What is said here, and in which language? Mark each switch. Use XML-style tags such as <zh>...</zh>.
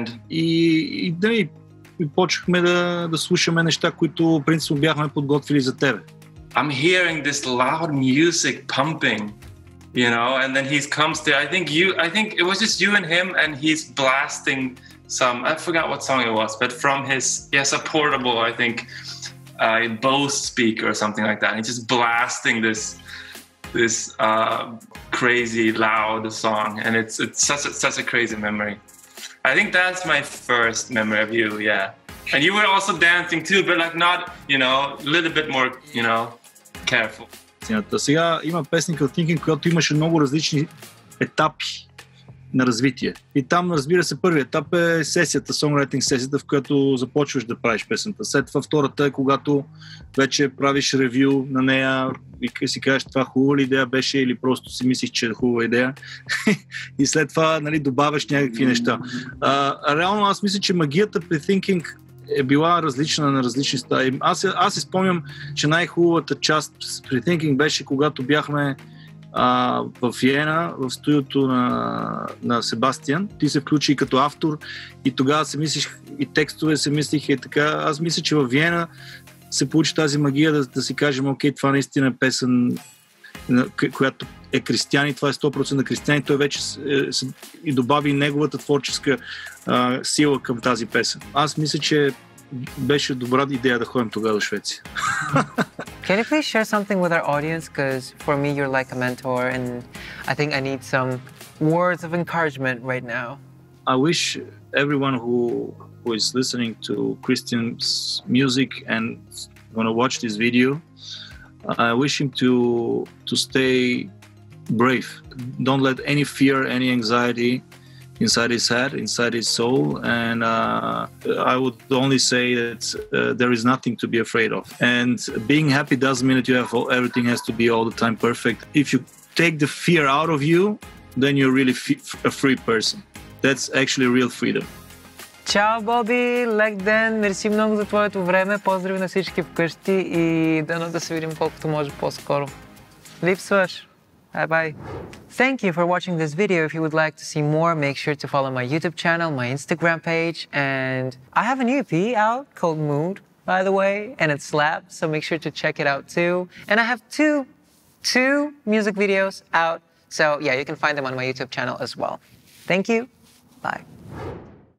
<bg>И почнахме да слушаме неща, които в принцип бяхме подготвили за тебе.</bg> <en>I'm hearing this loud music pumping, you know, and then he comes there. I think it was just you and him, and he's blasting some, I forgot what song it was, but from his, yes, a portable, I think, Bose speaker or something like that. He's just blasting this crazy loud song, and it's such a crazy memory. I think that's my first memory of you, yeah. And you were also dancing too, but like not, you know, a little bit more, you know, careful.</en> <bg>Сега има песни като Thinking, която имаше много различни етапи на развитие. И там, разбира се, първият етап е сесията, songwriting сесията, в която започваш да правиш песента. След това втората е, когато вече правиш ревю на нея и си кажеш, това хубава ли идея беше или просто си мислиш, че е хубава идея. И след това, нали, добавяш някакви неща. Реално аз мисля, че магията при Thinking е била различна на различни стадии. Аз си спомням, че най-хубавата част при Thinking беше, когато бяхме в Виена, в студиото на Себастиан. Ти се включи и като автор и тогава се мислиш, и текстове се мислиха и така. Аз мисля, че в Виена се получи тази магия да си кажем, окей, това наистина е песен, която е Кристиан, и това е 100% Кристиан, и той вече и добави неговата творческа сила към тази песен. Аз мисля, че беше добра идея да ходим тогава до Швеция.</bg> <en>Can you please share something with our audience? Because for me, you're like a mentor, and I think I need some words of encouragement right now. I wish everyone who is listening to Kristian's music and going to watch this video, I wish him to stay brave. Don't let any fear, any anxiety inside his head, inside his soul, and I would only say that there is nothing to be afraid of. And being happy doesn't mean that everything has to be all the time perfect. If you take the fear out of you, then you're really a free person. That's actually real freedom.</en> <bg>Чао, Боби! Лек ден! Мерси много за твоето време. Поздрави на всички вкъщи и дано да се видим колкото може по-скоро. Липсваш!</bg> <en>Bye-bye. Thank you for watching this video. If you would like to see more, make sure to follow my YouTube channel, my Instagram page, and I have a new EP out called MUAH, by the way, and it's slap, so make sure to check it out too. And I have two music videos out, so yeah, you can find them on my YouTube channel as well. Thank you. Bye.</en>